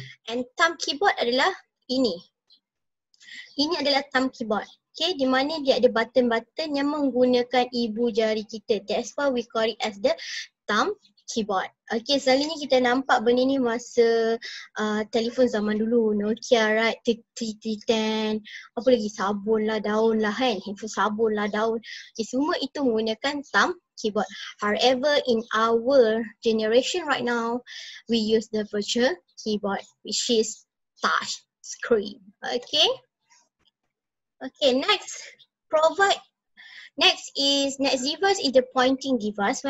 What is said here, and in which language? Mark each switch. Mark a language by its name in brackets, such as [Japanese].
[Malay] And thumb keyboard adalah ini. Ini adalah thumb keyboard. Okay, di mana dia ada button-button yang menggunakan ibu jari kita. [English] That's why we call it as the thumb keyboard. [Malay] Okay, selalunya kita nampak benda ni masa telefon zaman dulu. Nokia, right? 3310. Apa lagi? Sabun lah, daun lah kan? Handphone sabun lah, daun. Okay, semua itu menggunakan thumb keyboard. [English] However, in our generation right now, we use the virtual keyboard, which is touch screen. Okay? Okay, next device is the pointing device.